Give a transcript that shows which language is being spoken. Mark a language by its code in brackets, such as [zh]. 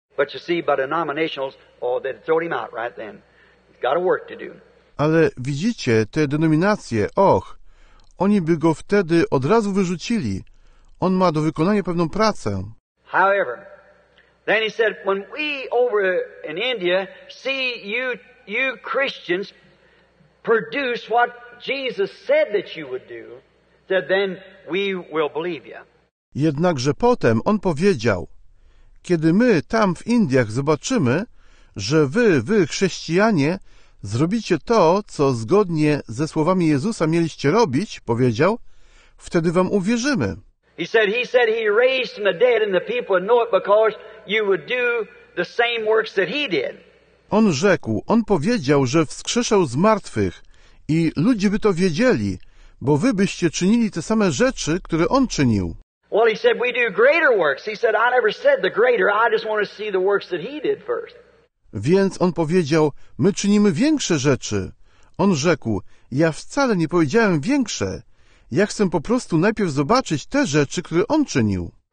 [en] But you see, by the denominationals, oh, they throwed him out right then. He's got a work to do. [pl] Ale widzicie, te denominacje, och, oni by go wtedy od razu wyrzucili. On ma do wykonania pewną pracę. [en] However, then he said, when we over in India see you Christians produce what Jesus said that you would do, said then we will believe you. [pl] Jednakże potem on powiedział, kiedy my tam w Indiach zobaczymy, że wy chrześcijanie zrobicie to, co zgodnie ze słowami Jezusa mieliście robić, powiedział, wtedy wam uwierzymy. [en] He said he raised from the dead and the people know it because you would do the same works that he did. [pl] On rzekł, on powiedział, że wskrzeszał z martwych i ludzie by to wiedzieli, bo wy byście czynili te same rzeczy, które on czynił. [en] Well, he said we do greater works. He said I never said the greater. I just want to see the works that he did first. [pl] Więc on powiedział, my czynimy większe rzeczy. On rzekł, ja wcale nie powiedziałem większe. Ja chcę po prostu najpierw zobaczyć te rzeczy, które on czynił.